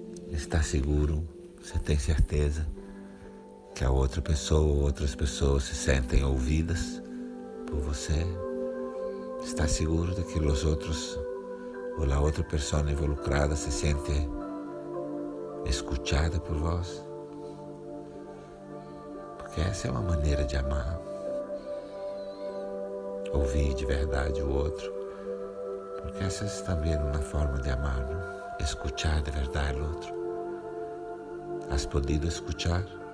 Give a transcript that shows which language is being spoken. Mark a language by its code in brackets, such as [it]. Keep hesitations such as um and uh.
[pt] Está seguro? Você tem certeza que a outra pessoa ou outras pessoas se sentem ouvidas por você? [es] Está seguro de que os outros o la otra persona involucrada se siente escuchada por vós. [pt] Porque essa é uma maneira de amar. Ouvir de verdade o outro. Porque essa é também uma forma de amar, não? [es] escuchar de verdade o outro. Has podido escuchar?